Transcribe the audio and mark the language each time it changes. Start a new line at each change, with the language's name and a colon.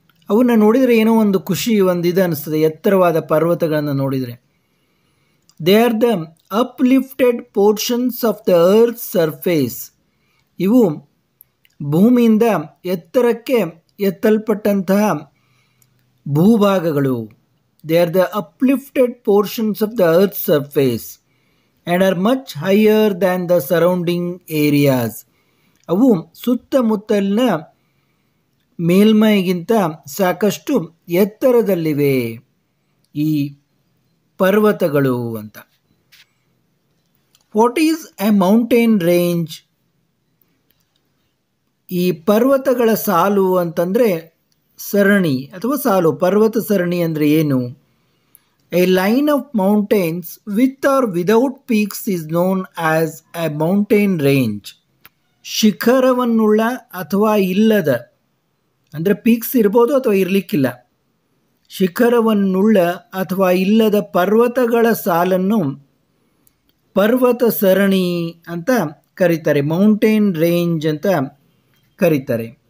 Kannada: ಅವನ್ನು ನೋಡಿದರೆ ಏನೋ ಒಂದು ಖುಷಿ, ಒಂದು ಇದು ಅನ್ನಿಸ್ತದೆ. ಎತ್ತರವಾದ ಪರ್ವತಗಳನ್ನು ನೋಡಿದರೆ
English: They are the uplifted portions of the earth surface.
Kannada: ಇವು ಭೂಮಿಯಿಂದ ಎತ್ತರಕ್ಕೆ ಎತ್ತಲ್ಪಟ್ಟಂತಹ ಭೂಭಾಗಗಳು.
English: They are the uplifted portions of the earth's surface and are much higher than the surrounding areas.
Kannada: ಅವು ಸುತ್ತಮುತ್ತಲಿನ ಮೇಲ್ಮೈಗಿಂತ ಸಾಕಷ್ಟು ಎತ್ತರದಲ್ಲಿವೆ ಈ ಪರ್ವತಗಳು ಅಂತ.
English: What is a mountain range?
Kannada: ಈ ಪರ್ವತಗಳ ಸಾಲು ಅಂತಂದರೆ ಸರಣಿ ಅಥವಾ ಸಾಲು. ಪರ್ವತ ಸರಣಿ ಅಂದರೆ ಏನು?
English: A line of mountains with or without peaks is known as a mountain range.
Kannada: ಶಿಖರವನ್ನುಳ್ಳ ಅಥವಾ ಇಲ್ಲದ, ಅಂದರೆ ಪೀಕ್ಸ್ ಇರ್ಬೋದು ಅಥವಾ ಇರಲಿಕ್ಕಿಲ್ಲ, ಶಿಖರವನ್ನುಳ್ಳ ಅಥವಾ ಇಲ್ಲದ ಪರ್ವತಗಳ ಸಾಲನ್ನು ಪರ್ವತ ಸರಣಿ ಅಂತ ಕರೀತಾರೆ, ಮೌಂಟೈನ್ ರೇಂಜ್ ಅಂತ ಕರೀತಾರೆ.